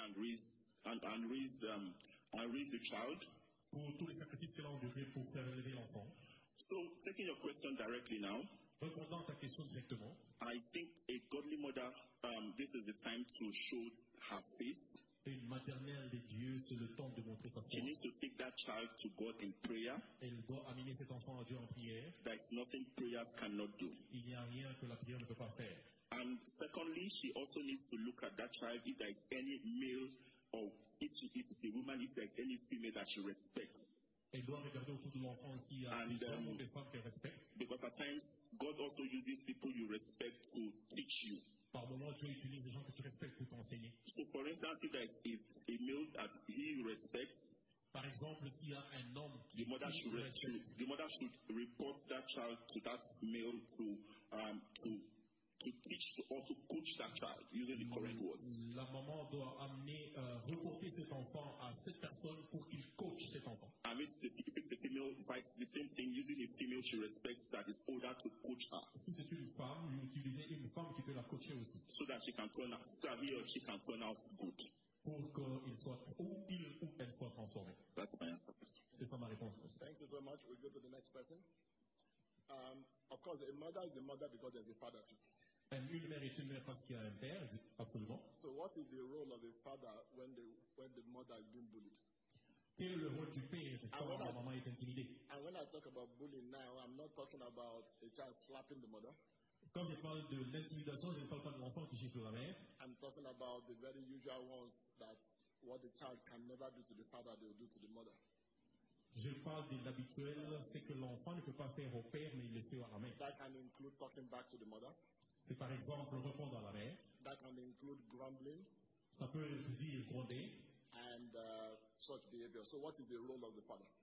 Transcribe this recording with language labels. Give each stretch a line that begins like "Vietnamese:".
English: Going by everything she did to bear and raise the child.
French: Pour tous les sacrifices qu'elle a endurés pour faire élever l'enfant.
English: So, taking your question directly now.
French: Répondant à ta question directement.
English: I think a godly mother, this is the time to show her faith.
French: Une maternelle de Dieu, c'est le temps de montrer sa foi.
English: She needs to take that child to God in prayer.
French: Elle doit amener cet enfant à Dieu en prière.
English: There is nothing prayers cannot do.
French: Il n'y a rien que la prière ne peut pas faire.
English: And secondly, she also needs to look at that child if there is any male or if it's a woman, if there is any female that she respects.
French: Elle doit regarder autour de l'enfant s'il y a des hommes ou des femmes qu'elle respecte.
English: Because at times, God also uses people you respect to teach you.
French: Par moment, Dieu utilise des gens que tu respectes pour t'enseigner.
English: So for instance, if there is a male that he respects,
French: par exemple, s'il y a un homme
English: the mother should the mother should report that child to that male to teach or to coach that child using the correct words.
French: La maman doit amener reporter cet enfant à cette personne pour qu'il coach cet enfant.
English: I mean, if it's a female, vice the same thing using a female she respects that is older to coach her.
French: Si c'est une femme, lui utiliser une femme qui peut la coacher aussi.
English: So that she can turn out, so he or she can turn out good.
French: Pour qu'il soit ou il ou elle soit transformé.
English: That's my answer.
French: C'est ça ma réponse.
English: Thank you so much. We'll go to the next person. Of course, a mother is a mother because there's a father too.
French: Une mère est une mère parce qu'il y a un père, absolument.
English: So what is the role of a father when the mother is being bullied?
French: Quel est le rôle du père quand la maman est intimidée?
English: And when I talk about bullying now, I'm not talking about a child slapping the mother.
French: Quand je parle de l'intimidation, je ne parle pas de l'enfant qui gifle la mère.
English: I'm talking about the very usual ones that what the child can never do to the father, they will do to the mother.
French: Je parle de l'habituel, c'est que l'enfant ne peut pas faire au père, mais il le fait à la mère.
English: That can include talking back to the mother.
French: C'est par exemple répondre à la mère.
English: That can include grumbling.
French: Ça peut dire gronder.
English: And such behavior. So what is the role of the father?